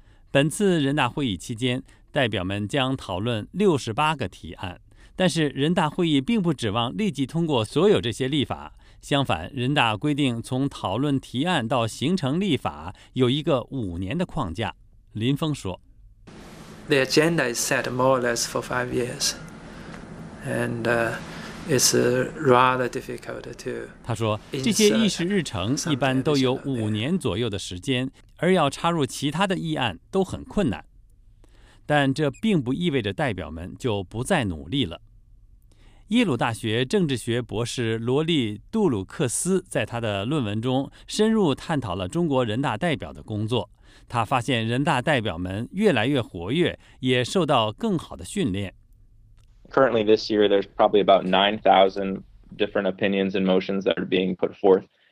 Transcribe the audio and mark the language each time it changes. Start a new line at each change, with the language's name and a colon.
Chinese: 本次人大会议期间，代表们将讨论68个提案，但是人大会议并不指望立即通过所有这些立法。相反，人大规定从讨论提案到形成立法有一个5年的框架。林峰说
English: ：“The agenda is set more or less for 5 years, and it's rather difficult to.”
Chinese: 他说，这些议事日程一般都有5年左右的时间，而要插入其他的议案都很困难。但这并不意味着代表们就不再努力了。耶鲁大学政治学博士罗利·杜鲁克斯在他的论文中深入探讨了中国人大代表的工作。他发现人大代表们越来越活跃，也受到更好的训练。
English: Currently, this year, there's probably about 9,000 different opinions and motions that are being put forth.